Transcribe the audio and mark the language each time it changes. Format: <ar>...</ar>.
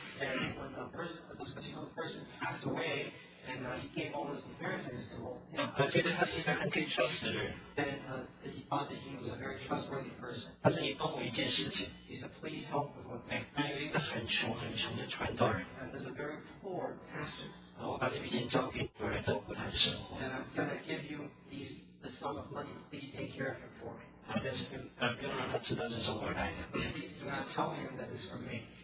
<en>And when the person, this particular person passed away, and he gave all his inheritance to him,</en> <zh>觉得他是一个很可以 trust 的人。</zh> <en>Then he thought that he was a very trustworthy person.</en> <zh>他说：“你帮我一件事情。”</zh> <en>He said, "Please help with one thing."</en> <zh>那有一个很穷很穷的传道人。</zh> <en>And there's a very poor pastor.</en> <zh>我把这笔钱交给你来照顾他的生活。</zh> <en>And I'm going to give you these. The sum of money, please take care of him for me. Please do not tell him that it's from me.</en>